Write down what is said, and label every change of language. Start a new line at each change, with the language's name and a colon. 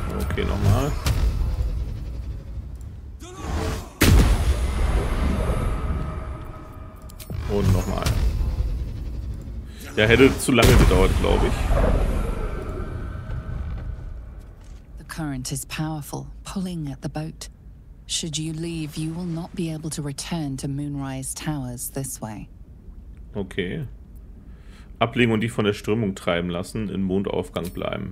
German: Okay, nochmal. Und nochmal. Ja, hätte zu lange gedauert, glaube ich.
English: The current is powerful, pulling at the boat. Should you leave, you will not be able to return to Moonrise Towers this way.
German: Okay. Ablegen und die von der Strömung treiben lassen, in Mondaufgang bleiben.